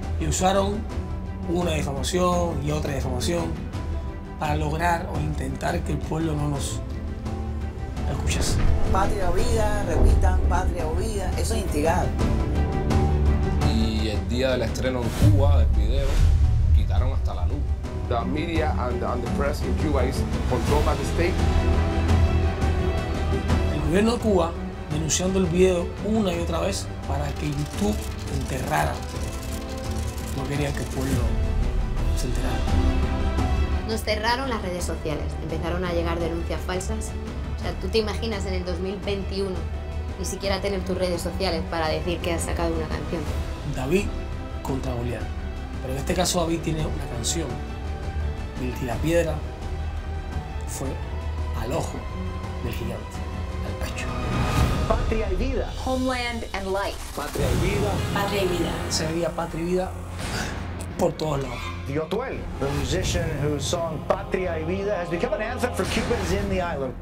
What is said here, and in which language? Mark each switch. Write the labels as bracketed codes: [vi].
[es] Y usaron una difamación y otra difamación para lograr o intentar que el pueblo no nos escuchase. Patria o vida, repitan, patria o vida, eso es instigar. Y el día del estreno en Cuba del video, quitaron hasta la luz. [en] The media and the press in Cuba is controlled by the state. [es] El gobierno de Cuba denunciando el video una y otra vez para que YouTube enterrara. No quería que el pueblo se enterara. Nos cerraron las redes sociales. Empezaron a llegar denuncias falsas. O sea, tú te imaginas en el 2021 ni siquiera tener tus redes sociales para decir que has sacado una canción. David contra Goliat. Pero en este caso David tiene una canción. Y el tirapiedra fue al ojo del gigante, al pecho. Patria y vida. [en] Homeland and life. [es] Patria y vida. Patria y vida. Se veía patria y vida por todos lados. [en] Yotuel, the musician whose song Patria y vida has become an anthem for Cubans in the island.